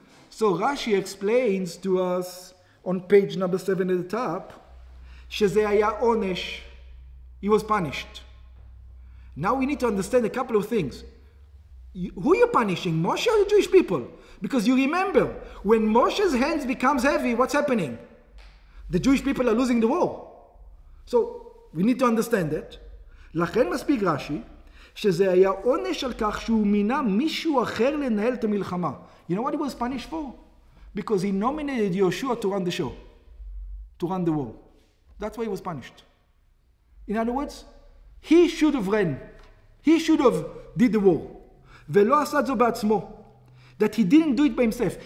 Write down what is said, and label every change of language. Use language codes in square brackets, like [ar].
[en] So Rashi explains to us on page number 7 at the top, [he] Sheze haya onesh, [en] he was punished. Now we need to understand a couple of things. Who are you punishing, Moshe or the Jewish people? Because you remember, when Moshe's hands becomes heavy, what's happening? The Jewish people are losing the war. So we need to understand that. [he] לכן מספיק רשי, שזה היה עונש על כך שהוא מינה מישהו אחר לנהל את המלחמה. [en] You know what he was punished for? Because he nominated Yeshua to run the show, to run the war. That's why he was punished. In other words, he should have ran. He should have did the war. [he] ולא עשה זו בעצמו. [en] That he didn't do it by himself.